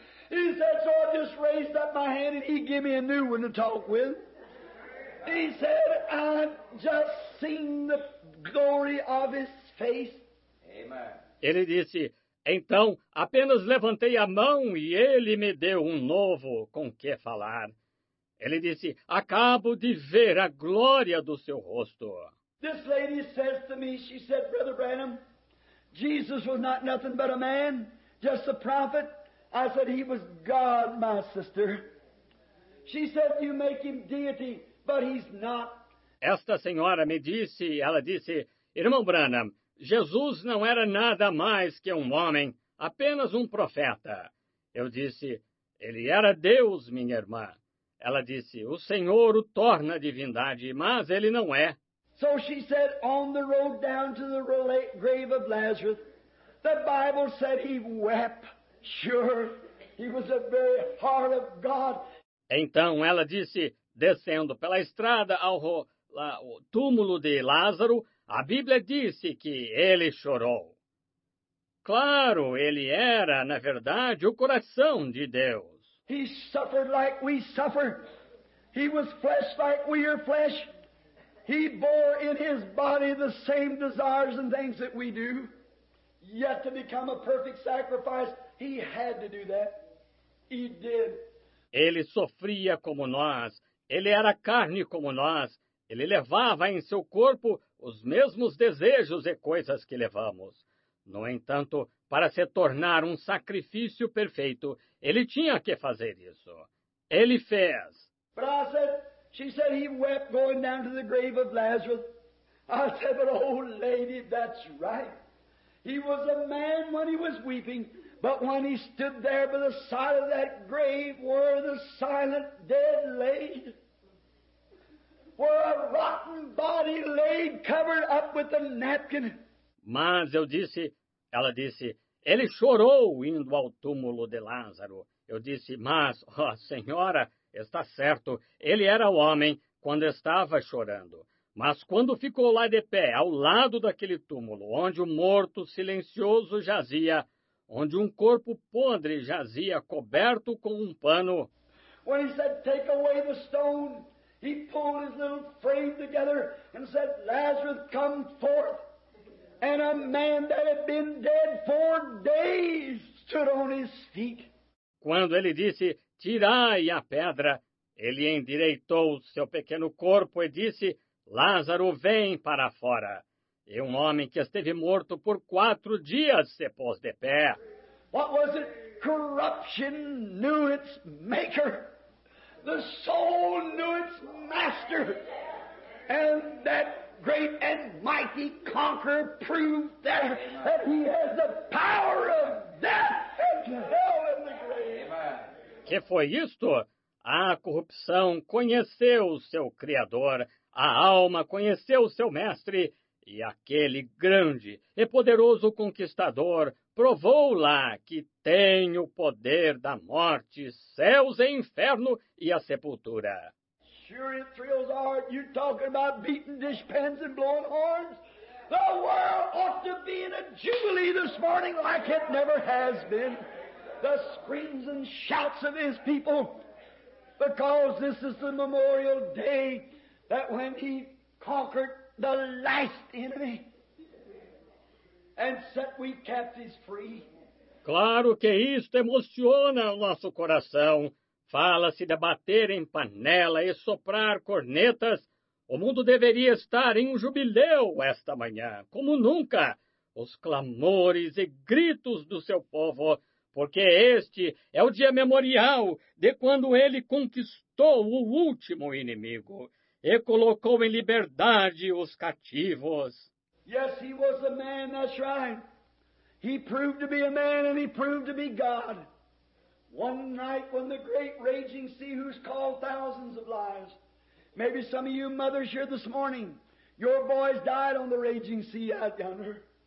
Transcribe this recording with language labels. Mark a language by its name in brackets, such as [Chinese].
[English] He said, so I just raised up my hand and he gave me a new one to talk with. He said, I just seen the glory of his face. Amen. [Portuguese] Ele disse, então apenas levantei a mão e ele me deu um novo com que falar. Ele disse, acabo de ver a glória do seu rosto. [English] This lady says to me, she said, Brother Branham, Jesus was not nothing but a man, just a prophet. I said, he was God, my sister. She said, you make him deity, but he's not. [Portuguese] Esta senhora me disse, ela disse, Irmão Branham, Jesus não era nada mais que um homem, apenas um profeta. Eu disse, ele era Deus, minha irmã. Ela disse, o Senhor o torna divindade, mas ele não é. [English] So she said, on the road down to the grave of Lazarus, the Bible said he wept. Sure, he was the very heart of God. [Portuguese] Então ela disse, descendo pela estrada ao túmulo de Lázaro, a Bíblia disse que ele chorou. Claro, ele era, na verdade, o coração de Deus. [English] He suffered like we suffer. He was flesh like we are flesh. He bore in his body the same desires and things that we do. Yet to become a perfect sacrifice, he had to do that. He did. [Portuguese] Ele sofria como nós. Ele era carne como nós. Ele levava em seu corpo os mesmos desejos e coisas que levamos. No entanto, para se tornar um sacrifício perfeito, ele tinha que fazer isso. Ele fez. [English] She said he wept going down to the grave of Lazarus. I said, but old lady, that's right. He was a man when he was weeping, but when he stood there by the side of that grave where the silent dead laid, where a rotten body laid covered up with a napkin. [Portuguese] Mas eu disse, ela disse, ele chorou indo ao túmulo de Lázaro. Eu disse, mas, ó, senhora, está certo, ele era o homem quando estava chorando. Mas quando ficou lá de pé, ao lado daquele túmulo, onde o morto silencioso jazia, onde um corpo podre jazia coberto com um pano. [English] When he said, take away the stone, he pulled his little frame together and said, Lazarus, come forth. And a man that had been dead for days stood on his feet. [Portuguese] Quando ele disse, tirai a pedra, ele endireitou seu pequeno corpo e disse, Lázaro, vem para fora. E um homem que esteve morto por 4 dias se pôs de pé. [English] What was it? Corruption knew its maker. The soul knew its master. And that great and mighty conqueror proved that he has the power of death and hell in the grave. [Portuguese] Que foi isto? A corrupção conheceu o seu Criador, a alma conheceu o seu Mestre, e aquele grande e poderoso conquistador provou lá que tem o poder da morte, céus e inferno e a sepultura. [English] Sure, it thrills our heart. You're talking about beating dish pans and blowing horns. The world ought to be in a jubilee this morning like it never has been. The screams and shouts of his people, because this is the memorial day that when he conquered the last enemy and set we captives free. [Portuguese] Claro que isto emociona o nosso coração. Fala-se de bater em panela e soprar cornetas. O mundo deveria estar em um jubileu esta manhã, como nunca. Os clamores e gritos do seu povo, porque este é o dia memorial de quando ele conquistou o último inimigo e colocou em liberdade os cativos. [English] Yes, he was a man, that's right. He proved to be a man and he proved to be God. One night when the great raging sea who's called thousands of lives. Maybe some of you mothers here this morning, your boys died on the raging sea out yonder.